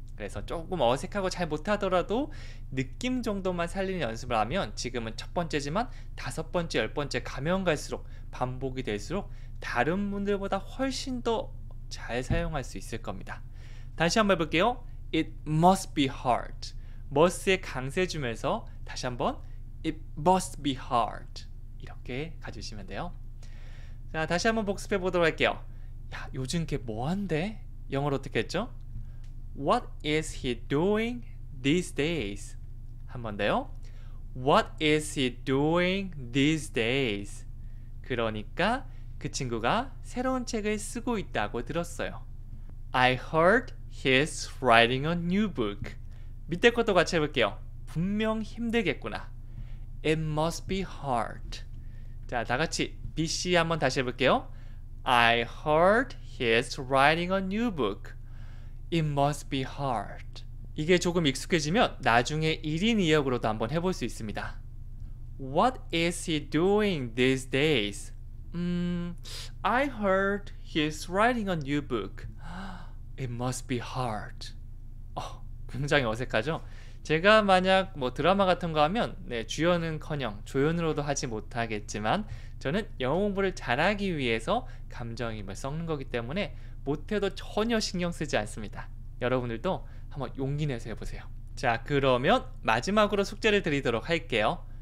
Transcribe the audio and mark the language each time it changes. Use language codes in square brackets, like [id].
[ko] 그래서 조금 어색하고 잘 못하더라도 느낌 정도만 살리는 연습을 하면 지금은 첫 번째지만 다섯 번째, 열 번째 가면 갈수록 반복이 될수록 다른 분들보다 훨씬 더 잘 사용할 수 있을 겁니다. 다시 한번 해볼게요. [en] It must be hard. [ko] must에 강세 주면서 다시 한번 [en] It must be hard [ko] 이렇게 가주시면 돼요. 자, 다시 한번 복습해 보도록 할게요. 야, 요즘 걔 뭐한대? 영어로 어떻게 했죠? [en] What is he doing these days? [ko] 한번 더요. [en] What is he doing these days? [ko] 그러니까 그 친구가 새로운 책을 쓰고 있다고 들었어요. [en] I heard he's writing a new book. [ko] 밑에 것도 같이 해볼게요. 분명 힘들겠구나. [en] It must be hard. [ko] 자, 다 같이 BC 한번 다시 해볼게요. [en] I heard he's writing a new book. It must be hard. [ko] 이게 조금 익숙해지면 나중에 1인 2역으로도 한번 해볼 수 있습니다. [en] What is he doing these days? I heard he's writing a new book. It must be hard. [ko] 굉장히 어색하죠? 제가 만약 뭐 드라마 같은 거 하면 네, 주연은커녕 조연으로도 하지 못하겠지만 저는 영어 공부를 잘하기 위해서 감정임을 섞는 거기 때문에 못해도 전혀 신경 쓰지 않습니다. 여러분들도 한번 용기 내서 해보세요. 자, 그러면 마지막으로 숙제를 드리도록 할게요.